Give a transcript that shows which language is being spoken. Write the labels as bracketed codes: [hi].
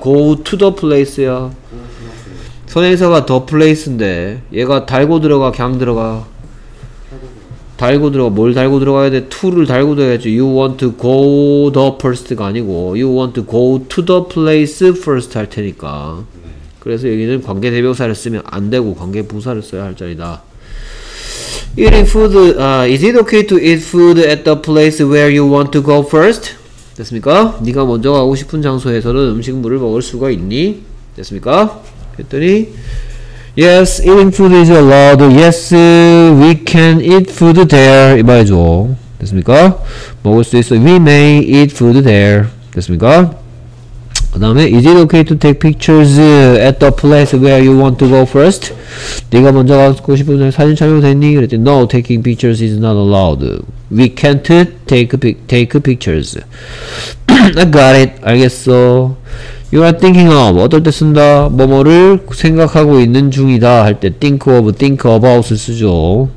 [en] Go to the place [ko] 야. 선행사가 the place인데 얘가 달고 들어가, 그냥 들어가. 달고 들어가. 뭘 달고 들어가야 돼? to를 달고 들어가야지. [en] You want to go the first [ko] 가 아니고 [en] You want to go to the place first [ko] 할 테니까. 그래서 여기는 관계대명사를 쓰면 안 되고 관계부사를 써야 할 자리다. [en] Eating food, is it okay to eat food at the place where you want to go first? [ko] 됐습니까? 네가 먼저 가고 싶은 장소에서는 음식물을 먹을 수가 있니? 됐습니까? 그랬더니 [en] Yes, eating food is allowed. Yes, we can eat food there. [ko] 이 말이죠. 됐습니까? 먹을 수 있어. [en] We may eat food there. [ko] 됐습니까? 그 다음에 [en] Is it okay to take pictures at the place where you want to go first? [ko] 네가 먼저 가고 싶은 데 사진 촬영 됐니? 그랬더니 [en] No, taking pictures is not allowed. We can't take pictures. I got it. [ko] 알겠어. [en] You are thinking of. [ko] 어떨 때 쓴다? 뭐뭐를 생각하고 있는 중이다 할 때 think of, think about을 쓰죠.